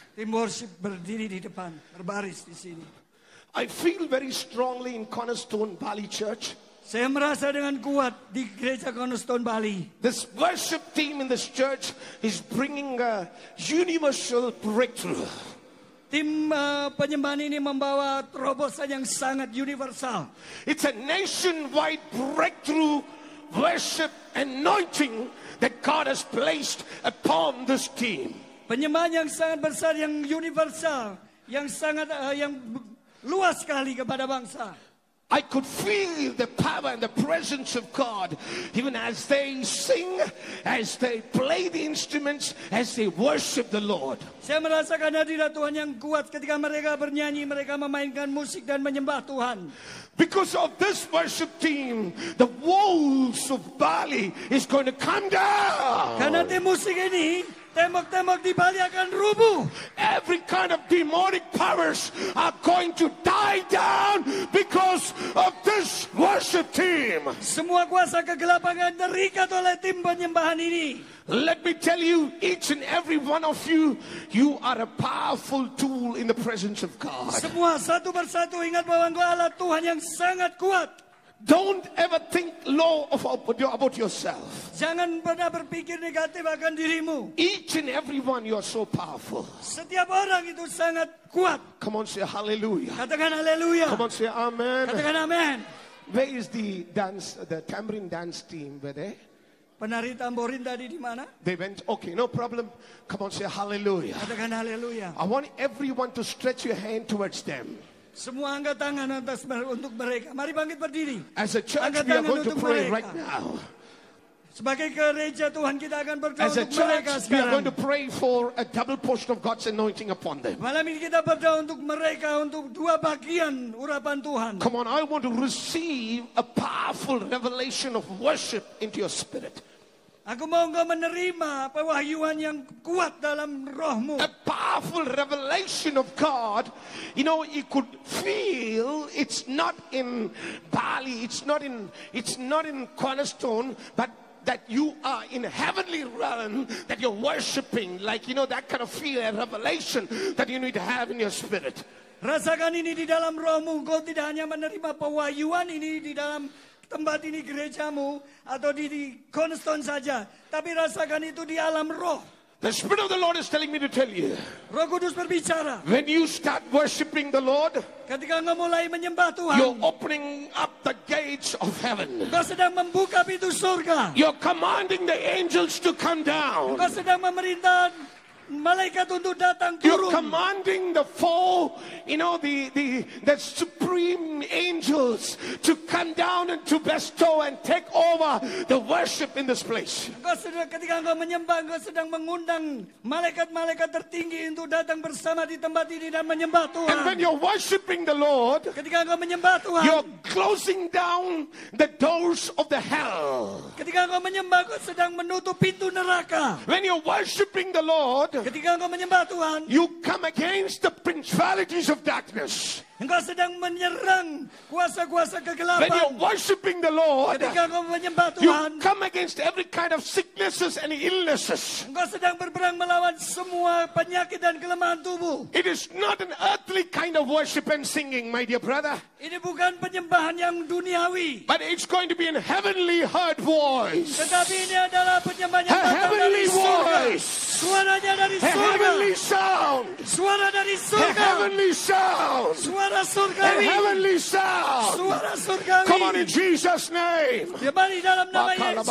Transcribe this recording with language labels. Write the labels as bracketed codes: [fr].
[id] Tim worship, berdiri di depan, berbaris di sini. [en] I feel very strongly in Cornerstone Bali Church. [id] Saya merasa dengan kuat di Gereja Cornerstone Bali. [en] This worship team in this church is bringing a universal breakthrough. [id] Tim penyembahan ini membawa terobosan yang sangat universal. [en] It's a nationwide breakthrough worship anointing that God has placed upon this team. [id] Penyembahan yang sangat besar, yang universal, yang sangat luas sekali kepada bangsa. [en] I could feel the power and the presence of God even as they sing, as they play the instruments, as they worship the Lord. [id] Saya merasakan hadirat Tuhan yang kuat ketika mereka bernyanyi, mereka memainkan musik dan menyembah Tuhan. [en] Because of this worship team, the walls of Bali is going to come down. [id] Karena tim musik ini, tembok-tembok di Bali akan rubuh. [en] Every kind of demonic powers are going to die down because of this worship team. [id] Semua kuasa kegelapan akan terikat oleh tim penyembahan ini. [en] Let me tell you, each and every one of you, you are a powerful tool in the presence of God. [id] Semua satu persatu ingat bahwa engkau alat Tuhan yang sangat kuat. [en] Don't ever think low of about yourself. [id] Jangan pernah berpikir negatif akan dirimu. [en] Each and every one, you are so powerful. [id] Setiap orang itu sangat kuat. [en] Come on, say hallelujah. [id] Katakan hallelujah. [en] Come on, say amen. [id] Katakan amen. [en] Where is the tambourine dance team? Were they? [id] Penari tamborin tadi di mana? [en] They went. Okay, no problem. Come on, say hallelujah. [id] Katakan hallelujah. [en] I want everyone to stretch your hand towards them. [id] Semua angkat tangan atas untuk mereka. Mari bangkit berdiri. [en] As a church, we are going to pray right now. [id] Sebagai gereja Tuhan kita akan berdoa [en] As a [id] untuk [en] church, [id] mereka sekarang. [en] We are going to pray for a double portion of God's anointing upon them. [id] Malam ini kita berdoa untuk mereka untuk dua bagian urapan Tuhan. [en] Come on, I want to receive a powerful revelation of worship into your spirit. [id] Aku mau engkau menerima pewahyuan yang kuat dalam rohmu. [en] A powerful revelation of God. You know, you could feel it's not in Bali, it's not in Cornerstone, but that you are in a heavenly realm, that you're worshiping, like, you know, that kind of feel and revelation that you need to have in your spirit. [id] Rasakan ini di dalam rohmu, kau tidak hanya menerima pewahyuan ini di dalam tempat ini gerejamu atau di Cornerstone saja, tapi rasakan itu di alam roh. [en] The Spirit of the Lord is telling me to tell you. [id] Roh Kudus berbicara. [en] When you start worshiping the Lord, [id] ketika engkau mulai menyembah Tuhan, [en] you're opening up the gates of heaven. [id] Engkau sedang membuka pintu surga. [en] You're commanding the angels to come down. [id] Engkau sedang memerintah malaikat untuk datang turun. [en] You're commanding the four, you know, the supreme angels to come down and to bestow and take over the worship in this place. [id] Ketika engkau menyembah, engkau sedang mengundang malaikat-malaikat tertinggi untuk datang bersama di tempat ini dan menyembah Tuhan. [en] And when you're worshiping the Lord, [id] ketika engkau menyembah Tuhan, [en] you're closing down the doors of the hell. [id] Ketika engkau menyembah, engkau sedang menutup pintu neraka. [en] When you're worshiping the Lord, [id] ketika engkau menyembah Tuhan, [en] you come against the principalities of darkness. [id] Engkau sedang menyerang kuasa-kuasa kegelapan. [en] When you're worshiping the Lord, [id] ketika engkau menyembah Tuhan, [en] you come against every kind of sicknesses and illnesses. [id] Engkau sedang berperang melawan semua penyakit dan kelemahan tubuh. [en] It is not an earthly kind of worship and singing, my dear brother. [id] Ini bukan penyembahan yang duniawi. [en] But it's going to be a heavenly heard voice. [id] Tetapi ini adalah penyembahan yang datang dari surga. [en] A heavenly voice. [id] Suaranya dari surga. [en] A heavenly sound. [id] Suara dari surga. [en] A heavenly sound. [id] Suara surgawi. [en] A heavenly sound. [id] Suara surgawi. [en] Come on, in Jesus' name. [id] Kembali dalam nama Yesus.